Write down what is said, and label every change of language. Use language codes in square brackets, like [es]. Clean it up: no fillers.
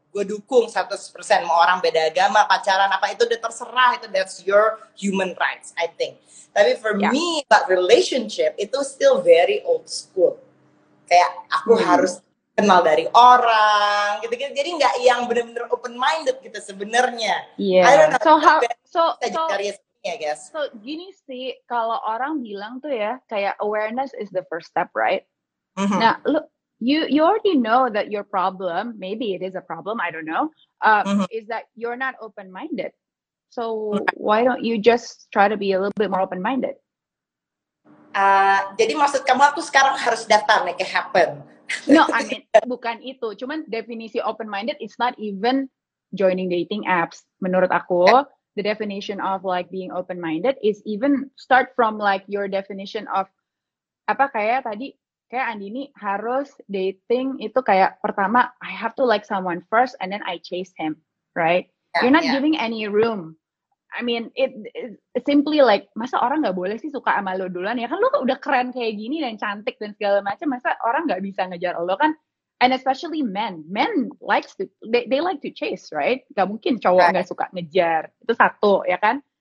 [id] Gue dukung 100% mau orang beda agama, pacaran apa itu udah terserah. [en] Itu that's your human rights. I think. Tapi for yeah. me, that relationship itu still very old school. [id] Kayak aku harus kenal dari orang, gitu-gitu. Jadi nggak yang benar-benar open minded gitu sebenarnya. Iya. Yeah. [en] So [id] gini sih, kalau orang bilang tuh ya, kayak [en] awareness is the first step, right? [id] Mm-hmm. [en] Nah, look, you already know that your problem, maybe it is a problem, I don't know, is that you're not open minded. So why don't you just try to be a little bit more open minded? [id] Jadi maksud kamu aku sekarang harus daftar nih ke Happen? [en] No, I mean [id] bukan itu. [en] Cuman definisi open minded is not even joining dating apps. [id] Menurut aku, [en] the definition of like being open minded is even start from like your definition of [id] apa kayak tadi kayak Andini harus dating itu kayak pertama [en] I have to like someone first and then I chase him, right? Yeah, you're not yeah. giving any room. I mean, it simply like [id] masa orang nggak boleh sih suka sama lo duluan ya kan lo udah keren kayak gini dan cantik dan segala macam masa orang nggak bisa ngejar lo kan? [en] And especially men likes to they like to chase, right? [id] Gak mungkin cowok nggak suka ngejar itu satu ya kan?